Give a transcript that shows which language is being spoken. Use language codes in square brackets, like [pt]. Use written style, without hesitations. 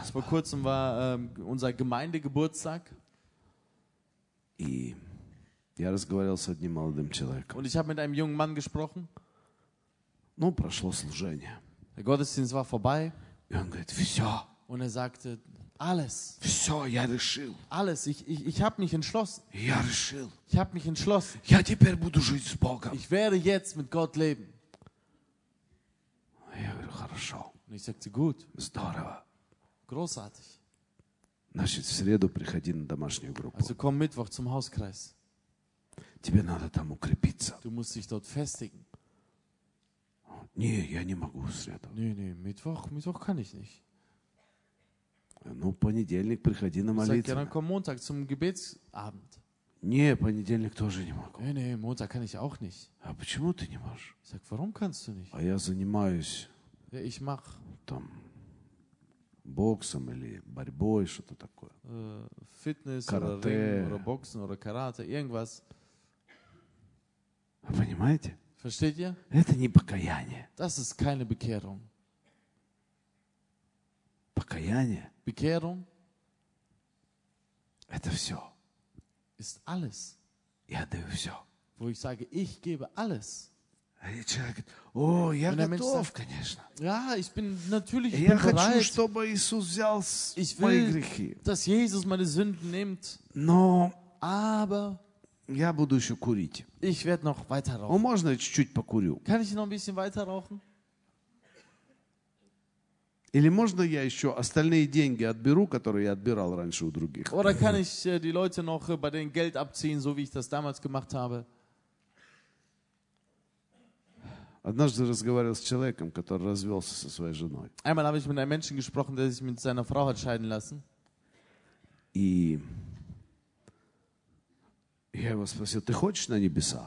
[de] Vor kurzem war unser Gemeindegeburtstag. [ru] И я разговаривал с одним молодым человеком. [de] Und ich habe mit einem jungen Mann gesprochen. [ru] Ну, прошло служение. [de] Der Gottesdienst war vorbei. [ru] И он говорит, все. [de] Und sagte, alles. [ru] Все, я решил. [de] Alles, ich habe mich entschlossen. [ru] Я решил. [de] Ich habe mich entschlossen. [ru] Я теперь буду жить с Богом. [de] Ich werde jetzt mit Gott leben. [ru] Я говорю, хорошо. [de] Und ich sagte, gut. [ru] Здорово. [de] Großartig. [ru] Значит, в среду приходи на домашнюю группу. [de] Also komm Mittwoch zum Hauskreis. [ru] Тебе надо там укрепиться. [de] Du musst dich dort festigen. [ru] Не, я не могу в среду. [de] Не, Mittwoch kann ich nicht. [ru] Ну, понедельник приходи на молитву. [de] Sag, ja, dann komm Montag zum Gebetsabend. [ru] Не, понедельник тоже не могу. [de] Не, Montag kann ich auch nicht. [ru] А почему ты не можешь? [de] Sag, warum kannst du nicht? [ru] А я занимаюсь. [de] Ja, ich mach. [ru] Там боксом или борьбой, что-то такое. [de] Fitness, karate. Oder Boxen, oder Karate, irgendwas. [ru] Понимаете? [de] Versteht ihr? [ru] Это не покаяние. [de] Das ist keine Bekehrung. [ru] Покаяние. [de] Bekehrung. [ru] Это все. [de] Ist alles. [ru] Я даю все. [de] Wo ich sage, ich gebe alles. [ru] И человек говорит, о, я готов, конечно. [de] Ja, ich bin natürlich bereit. [ru] Я хочу, чтобы Иисус взял мои грехи. [de] Dass Jesus meine Sünden nimmt. [ru] Но. [de] Aber. [ru] Я буду еще курить. [de] Ich werde noch weiter rauchen. [ru] Ну, можно я чуть-чуть покурю? [de] Kann ich noch ein bisschen weiter rauchen? [ru] Или можно я еще остальные деньги отберу, которые я отбирал раньше у других? [de] Oder kann ich die Leute noch bei denen Geld abziehen, so wie ich das damals gemacht habe? [ru] Однажды разговаривал с человеком, который развелся со своей женой. [de] Einmal habe ich mit einem Menschen gesprochen, der sich mit seiner Frau hat scheiden lassen. [ru] И я его спросил, ты хочешь на небеса?